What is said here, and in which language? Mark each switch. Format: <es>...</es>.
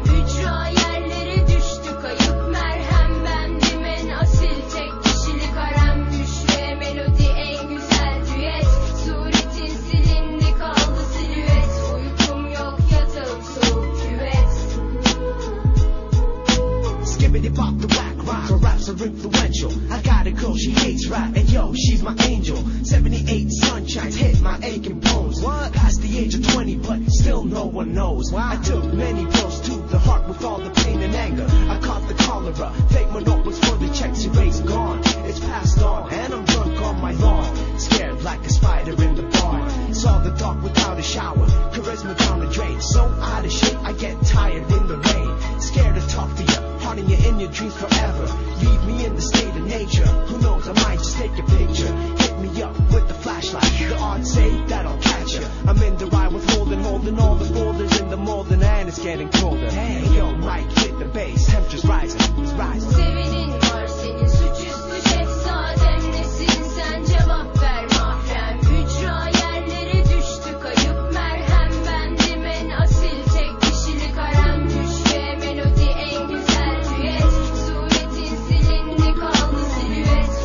<tr>Hücra yerlere düştü kayıp merhem. Bendim en asil tek kişilik harem. Müşre melodi en güzel düet. Suretin silindi kaldı silüet. Uykum yok yatıp soğuk küvet.</tr> <en>Skibidi pop the black rock. Her raps are influential. I got a girl she hates rap. And yo, she's my angel. 78 sunshines hit my aching bones. What? Past the age of 20, but still no one knows. Wow. I took many blows to the heart with all the pain and anger. I caught the cholera. Fake monopolies for the checks erased. Gone. It's passed on. And I'm drunk on my lawn. Scared like a spider in the barn. Saw the dark without a shower. Charisma down the drain. So out of shape, I get tired in the rain. Scared to talk to you. Haunting you in your dreams forever. Leave me in the state of nature. Who knows, I might just take a picture. Hit me up with the flashlight. The odds say that I'll catch you. I'm in the ride with holding, holding all the folders in the molding. And it's getting colder. Dang. Yo, Mike, hit the bass. Temperature's rising, it's rising. Seven in bars, singing</en> <tr>suç üstü şef zaten nesin sen, cevap ver mahrem. Hücra yerlere düştü kayıp merhem. Bendim en asil tek kişilik harem. Düşve melodi en güzel düet. Suretin silindi kaldı silüet.</tr>